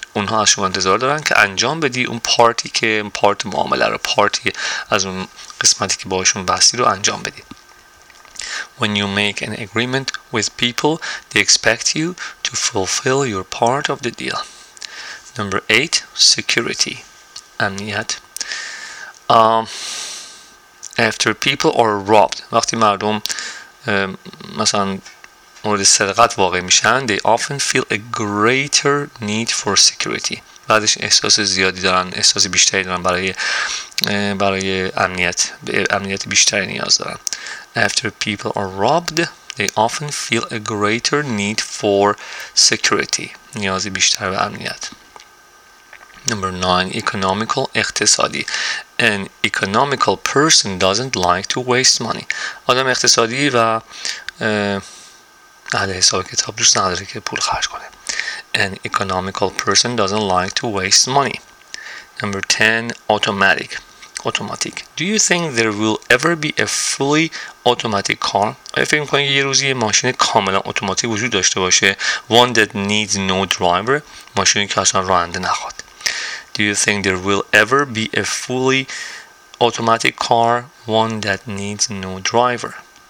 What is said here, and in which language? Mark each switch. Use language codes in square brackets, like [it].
[fa] اونها از شما انتظار دارن که انجام بدی اون پارتی که پارت معامله رو، پارتی از اون قسمتی که باهاشون بستی رو انجام بدی. [en] When you make an agreement with people, they expect you to fulfill your part of the deal. Number 8, security, امنیت. After people are robbed, [fa] وقتی مردم مثلا مورد سرقت واقع میشن, [en] they often feel a greater need for security. [fa] بعدش احساس زیادی دارن, احساس بیشتری دارن برای امنیت, امنیت بیشتری نیاز دارن. [en] After people are robbed, they often feel a greater need for security. [fa] نیاز بیشتر به امنیت. [en] Number 9, economical, [fa] اقتصادی. [en] An economical person doesn't like to waste money. [fa] آدم اقتصادی و اهل حساب کتاب دوست نداره که پول خرج کنه. [en] An economical person doesn't like to waste money. Number 10, automatic, automatic. Do you think there will ever be a fully automatic car? [fa] آیا فکر میکنید یه روزی یه ماشین کاملا اتوماتیک وجود داشته باشه؟ [en] One that needs no driver. [fa] ماشینی که اصلا راننده نخواد. [en] Do you think there will ever be a fully automatic car? One that needs no driver.